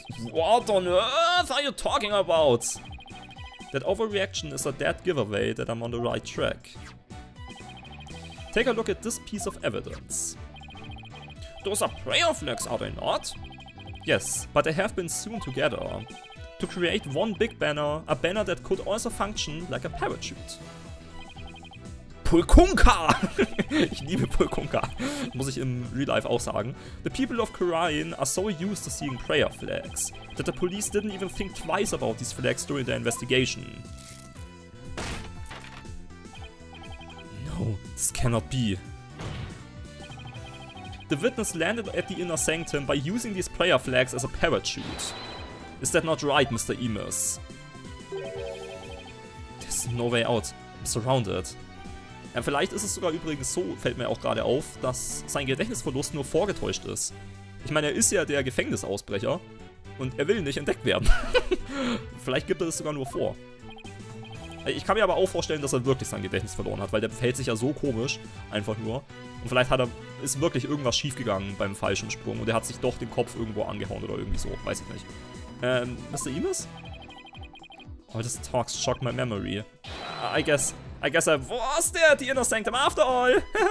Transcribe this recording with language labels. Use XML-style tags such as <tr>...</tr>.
<en>What on earth are you talking about? That overreaction is a dead giveaway that I'm on the right track. Take a look at this piece of evidence. those are prayer flags, are they not? Yes, but they have been sewn together to create one big banner, a banner that could also function like a parachute. Pulkunka!</en> <de>Ich liebe Pulkunka, muss ich im Real Life auch sagen.</de> <en>The people of Kurayan are so used to seeing prayer flags that the police didn't even think twice about these flags during their investigation. No, this cannot be. The witness landed at the inner sanctum by using these prayer flags as a parachute. Is that not right, Mr. Emus? There's no way out. I'm surrounded.</en> <de>Ja, vielleicht ist es sogar übrigens so, fällt mir auch gerade auf, dass sein Gedächtnisverlust nur vorgetäuscht ist. Ich meine, er ist ja der Gefängnisausbrecher und er will nicht entdeckt werden. Vielleicht gibt er das sogar nur vor. Ich kann mir aber auch vorstellen, dass er wirklich sein Gedächtnis verloren hat, weil der verhält sich ja so komisch, einfach nur. Und vielleicht ist wirklich irgendwas schiefgegangen beim falschen Sprung und er hat sich doch den Kopf irgendwo angehauen oder irgendwie so, weiß ich nicht.</de> <en>Mr. Emus? All this talk shocked my memory. I guess I was there at the Inner Sanctum after all!</en>